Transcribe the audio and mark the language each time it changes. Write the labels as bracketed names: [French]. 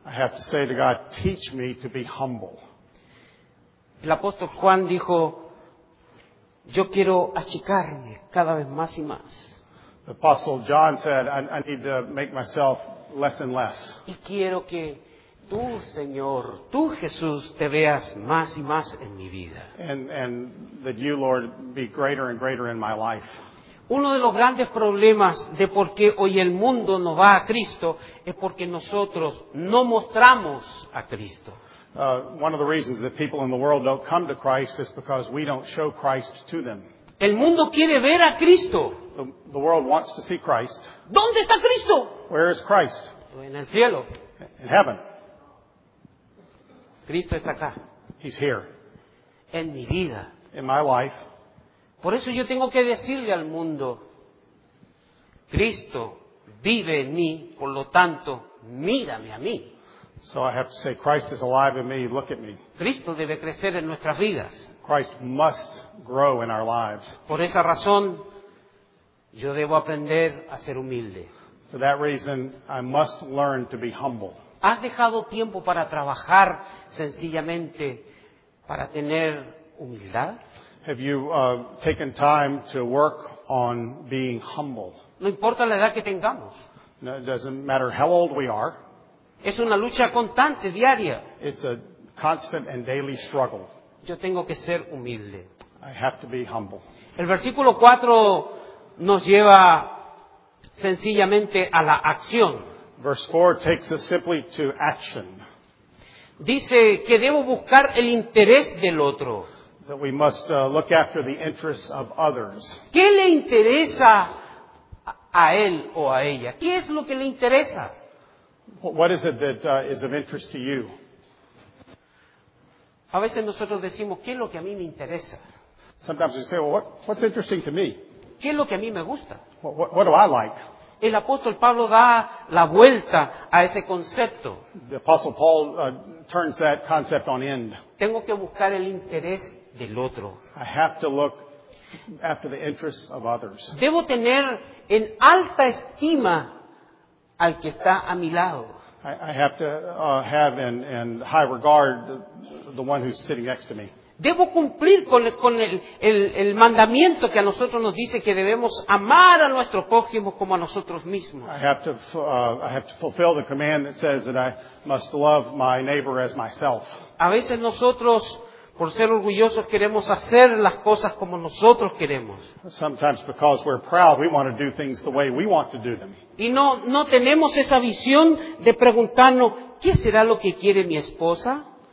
[English] I have to say to God, teach me to be humble. [Spanish] El apóstol Juan dijo, yo quiero achicarme cada vez más y más. [English] The apostle John said, I need to make myself less and less. [Spanish] Y quiero que tú, Señor, tú, Jesús, te veas más y más en mi vida. [English] And that you, Lord, be greater and greater in my life. [Spanish] Uno de los grandes problemas de por qué hoy el mundo no va a Cristo es porque nosotros no mostramos a Cristo. [English] One of the reasons that people in the world don't come to Christ is because we don't show Christ to them. [Spanish] El mundo quiere ver a Cristo. [English] The world wants to see Christ. [Spanish] ¿Dónde está Cristo? [English] Where is Christ? [Spanish] En el cielo. [English] In heaven. [Spanish] Cristo está acá. [English] He's here. [Spanish] En mi vida. [English] In my life. [Spanish] Por eso yo tengo que decirle al mundo, Cristo vive en mí, por lo tanto, mírame a mí. [English] So I have to say, Christ is alive in me, look at me. [Spanish] Cristo debe crecer en nuestras vidas. [English] Christ must grow in our lives. [Spanish] Por esa razón, yo debo aprender a ser humilde. [English] For that reason, I must learn to be humble. [Spanish] ¿Has dejado tiempo para trabajar sencillamente para tener humildad? [English] Have you taken time to work on being humble? [Spanish] No importa la edad que tengamos. [English] No, it doesn't matter how old we are. [Spanish] Es una lucha constante, diaria. [English] It's a constant and daily struggle. [Spanish] Yo tengo que ser humilde. [English] I have to be humble. [Spanish] El versículo 4 nos lleva sencillamente a la acción. [English] Verse 4 takes us simply to action. [Spanish] Dice que debo buscar el interés del otro. [English] That we must look after the interests of others. [Spanish] ¿Qué le interesa a él o a ella? ¿Qué es lo que le interesa? [English] What is it that is of interest to you? [Spanish] A veces nosotros decimos, ¿qué es lo que a mí me interesa? [English] Sometimes we say, well, what's interesting to me? [Spanish] ¿Qué es lo que a mí me gusta? [English] What do I like? [Spanish] El apóstol Pablo da la vuelta a ese concepto. [English] The apostle Paul turns that concept on end. [Spanish] Tengo que buscar el interés del otro. [English] I have to look after the interests of others. [Spanish] Debo tener en alta estima al que está a mi lado. [English] I have to have in high regard the one who's sitting next to me. [Spanish] Debo cumplir con el mandamiento que a nosotros nos dice que debemos amar a nuestro prójimo como a nosotros mismos. [English] I have to fulfill the command that says that I must love my neighbor as myself. [Spanish] A veces nosotros, por ser orgullosos, queremos hacer las cosas como nosotros queremos. [English] Sometimes because we're proud, we want to do things the way we want to do them. [Spanish] Y no tenemos esa visión de preguntarnos, ¿qué será lo que quiere mi esposa?